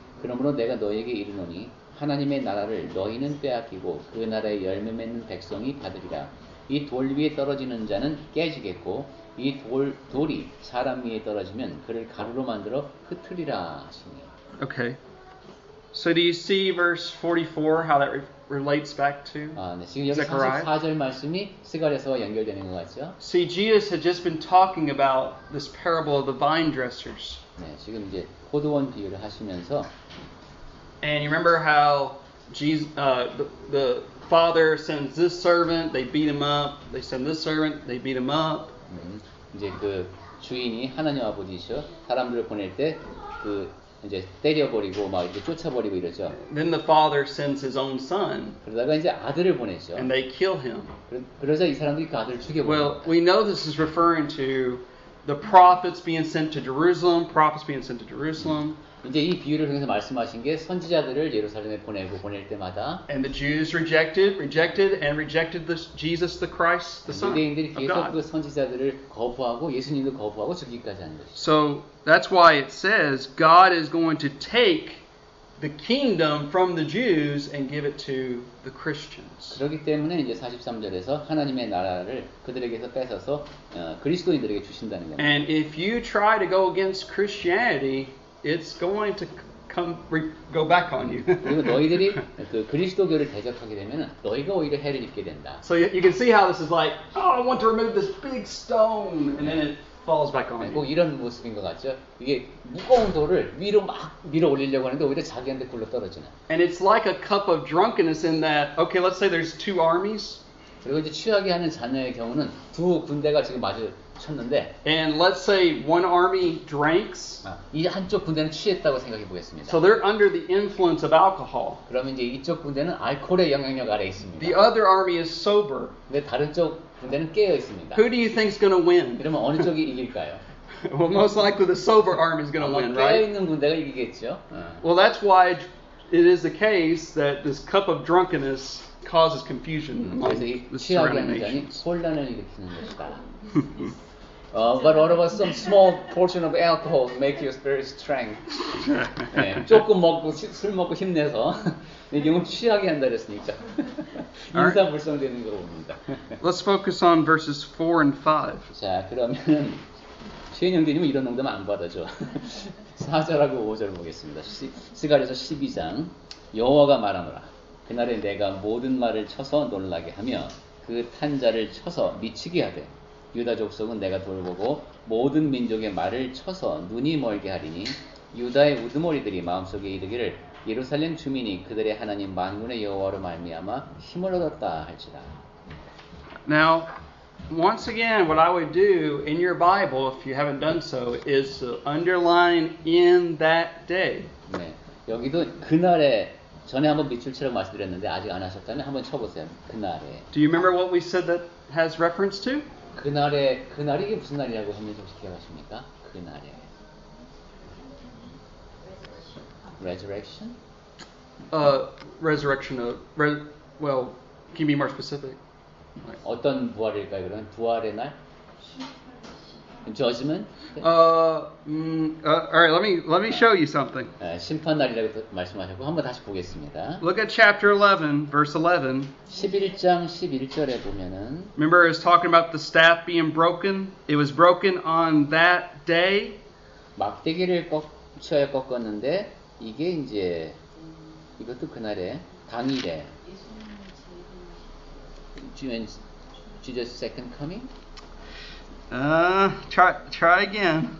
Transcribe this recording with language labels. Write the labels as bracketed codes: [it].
[ko] 그러므로 내가 너희에게 이르노니 하나님의 나라를 너희는 빼앗기고 그 나라의 열매 맺는 백성이 받으리라. 이 돌 위에 떨어지는 자는 깨지겠고 이 돌이 사람 위에 떨어지면 그를 가루로 만들어 흩으리라 하시니. [en] Okay. So do you see verse 44 how that relates back to Zechariah? [ko] 44절 말씀이 스가랴서와 연결되는 것 같죠? [en] See, Jesus had just been talking about this parable of the vine dressers. [ko] 네, 지금 이제 포도원 비유를 하시면서 [en] And you remember how Jesus the Father sends this servant, they beat him up. They send this servant, they beat him up. [ko] 이제 그 주인이 하나님 아버지셔 사람들을 보낼 때 그 이제 때려버리고 막 이제 쫓아버리고 이러죠. [en] Then the Father sends his own son. [ko] 그러다가 이제 아들을 보내죠. [en] And they kill him. [ko] 그래서 이 사람들이 그 아들을 죽여버려요. [en] Well, we know this is referring to the prophets being sent to Jerusalem. Prophets being sent to Jerusalem. [ko] 이제 이 비유를 통해서 말씀하신 게 선지자들을 예루살렘에 보내고 보낼 때마다 [en] And the Jews rejected the Jesus the Christ the Son of God. [ko] 유대인들이 계속 그 선지자들을 거부하고 예수님도 거부하고 죽기까지 하는 것이죠. [en] So that's why it says God is going to take the kingdom from the Jews and give it to the Christians. [ko] 그렇기 때문에 이제 43절에서 하나님의 나라를 그들에게서 뺏어서 그리스도인들에게 주신다는 겁니다. [en] And if you try to go against Christianity It's going to come go back on you. [ko] 그리고 너희들이 그 그리스도교를 대적하게 되면은 너희가 오히려 해를 입게 된다. [en] So you can see how this is like, oh, I want to remove this big stone, and then it falls back on you. [ko] 뭐 이런 모습인 것 같죠? 이게 무거운 돌을 위로 막 밀어 올리려고 하는데 오히려 자기한테 굴러 떨어지는. [en] And it's like a cup of drunkenness in that. Okay, let's say there's two armies. [ko] 그리고 이제 취하게 하는 잔의 경우는 두 군대가 지금 마주 쳤는데 [en] And let's say one army drinks. [ko] 이 한쪽 군대는 취했다고 생각해 보겠습니다. [en] So they're under the influence of alcohol. [ko] 그러면 이제 이쪽 군대는 알코올의 영향력 아래 있습니다. [en] The other army is sober. [ko] 근데 다른 쪽 군대는 깨어 있습니다. [en] Who do you think is going to win? [ko] 그러면 어느 쪽이 이길까요? [en] Well, most likely the sober army is going to win, right? [ko] 깨어 있는 군대가 이기겠죠. [en] Well, that's why it is the case that this cup of drunkenness causes confusion among the surrounding nations. But what about some small portion of alcohol make you very strong? [ko] 네, 조금 먹고 술 먹고 힘내서 영혼 취하게 한다 그랬으니까 인사 불성되는 거 봅니다. [en] Let's focus on verses 4 and 5. [ko] 자, 그러면 시인 형제님은 이런 농담 안 받아줘. 4절하고 5절 보겠습니다. 스가랴서 12장 여호와가 말하노라. 그날에 내가 모든 말을 쳐서 놀라게 하며 그 탄자를 쳐서 미치게 하되 유다 족속은 내가 돌보고 모든 민족의 말을 쳐서 눈이 멀게 하리니 유다의 우두머리들이 마음속에 이르기를 예루살렘 주민이 그들의 하나님 만군의 여호와로 말미암아 힘을 얻었다 할지라. [en] Now, once again, what I would do in your Bible, if you haven't done so, is to underline in that day. [ko] 네, 여기도 그날에 전에 한번 미출처럼 말씀드렸는데 아직 안 하셨다면 한번 쳐보세요. 그날에. [en] Do you remember what we said that has reference to? [ko] 그날에 그날이 무슨 날이라고 했는지 혹시 기억하십니까? 그날에. [en] Resurrection? Resurrection of well, can be more specific. [ko] 어떤 부활일까요? 그럼 부활의 날? [en] Judgment? All right. Let me show you something. [ko] 심판 날이라고 말씀하셨고 한번 다시 보겠습니다. [en] Look at chapter 11, verse 11. [ko] 11장 11절에 보면은. [en] Remember, it's talking about the staff being broken. It was broken on that day. [ko] 막대기를 처에 꺾었는데 이게 이제 이것도 그날에 당일에. [en] Jesus' second coming. Try again.